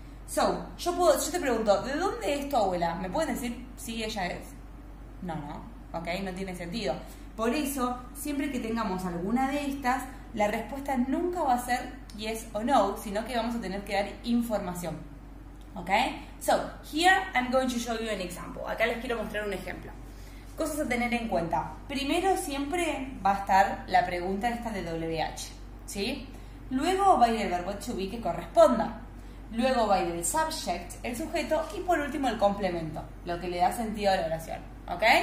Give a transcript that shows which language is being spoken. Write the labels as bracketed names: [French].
[Spanish] So, yo te pregunto, ¿de dónde es tu abuela? ¿Me pueden decir si ella es? No, no. Ok, no tiene sentido. Por eso, siempre que tengamos alguna de estas, la respuesta nunca va a ser yes o no, sino que vamos a tener que dar información. [English] Okay? So, here I'm going to show you an example. [Spanish] Acá les quiero mostrar un ejemplo. Cosas a tener en cuenta. Primero siempre va a estar la pregunta esta de WH, ¿sí? Luego va a ir el verbo to be que corresponda. Luego va a ir el subject, el sujeto, y por último el complemento, lo que le da sentido a la oración, ¿ok?